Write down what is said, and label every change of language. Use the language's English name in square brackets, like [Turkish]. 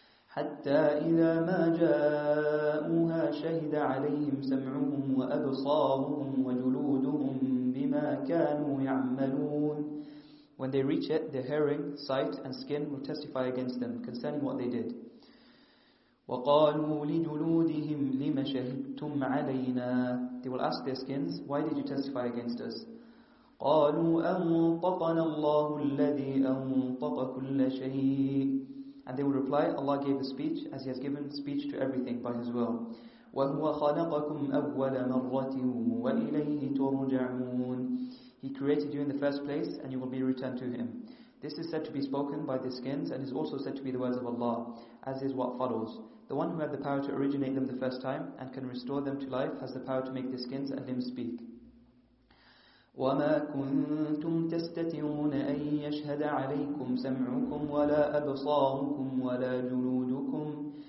[Arabic] حَتَّى إِذَا مَا جَاءُوهَا شَهِدَ عَلَيْهِمْ سَمْعُهُمْ وَأَبْصَارُهُمْ وَجُلُودُهُمْ بِمَا كَانُوا يَعْمَلُونَ. [English] When they reach it, their hearing, sight, and skin will testify against them concerning what they did. [Arabic] وقالوا لجلودهم لما شهدتم علينا. [English] They will ask their skins, why did you testify against us? [Arabic] قالوا أنطقنا الله الذي أنطق كل شيء. [English] And they will reply, Allah gave a speech as He has given speech to everything by His will. [Arabic] وهو خلقكم أول مرة وإليه ترجعون. [English] He created you in the first place, and you will be returned to Him. This is said to be spoken by the skins, and is also said to be the words of Allah, as is what follows. The one who had the power to originate them the first time, and can restore them to life, has the power to make the skins and limbs speak. [Arabic] وَمَا كُنْتُمْ تَسْتَتِرُونَ أَن يَشْهَدَ عَلَيْكُمْ سَمْعُكُمْ وَلَا أَبْصَارُكُمْ وَلَا جُلُودُكُمْ.